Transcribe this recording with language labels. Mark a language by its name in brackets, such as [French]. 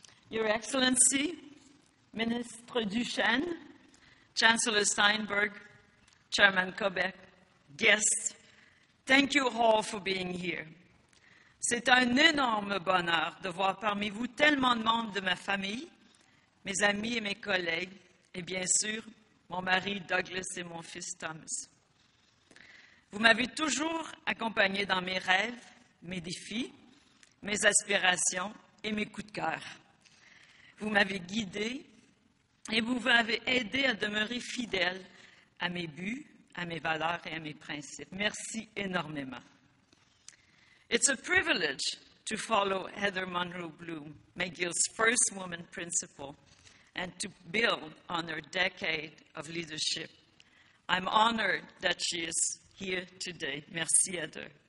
[English] Your Excellency, Minister Duchesne, Chancellor Steinberg, Chairman Kobeck, guests, thank you all for being here. [French] C'est un énorme bonheur de voir parmi vous tellement de membres de ma famille, mes amis et mes collègues, et bien sûr, mon mari Douglas et mon fils Thomas. Vous m'avez toujours accompagné dans mes rêves, mes défis, mes aspirations et mes coups de cœur. Vous m'avez guidé et vous m'avez aidé à demeurer fidèle à mes buts, à mes valeurs et à mes principes. Merci énormément. [English] It's a privilege to follow Heather Monroe Bloom, McGill's first woman principal, and to build on her decade of leadership. I'm honored that she is here today. [French] Merci, [English] Heather.